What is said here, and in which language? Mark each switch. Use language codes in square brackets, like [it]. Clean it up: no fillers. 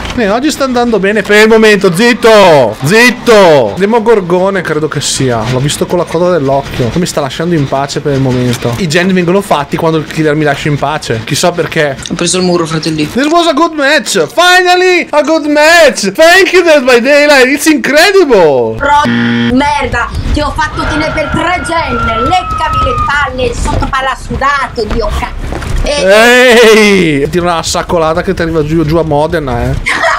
[it] Oggi sta andando bene per il momento, zitto! Demogorgone credo che sia, l'ho visto con la coda dell'occhio, mi sta lasciando in pace per il momento. I geni vengono fatti quando il killer mi lascia in pace, chissà perché. Ho preso il muro, fratelli. [en] This was a good match, finally a good match, thank you Death by Daylight, it's incredible! [it] Merda! Ti ho fatto tenere per tre gen, leccami le palle, il sottopalla sudato, dio cazzo. Ehi! Tira una saccolata che ti arriva giù a Modena, eh.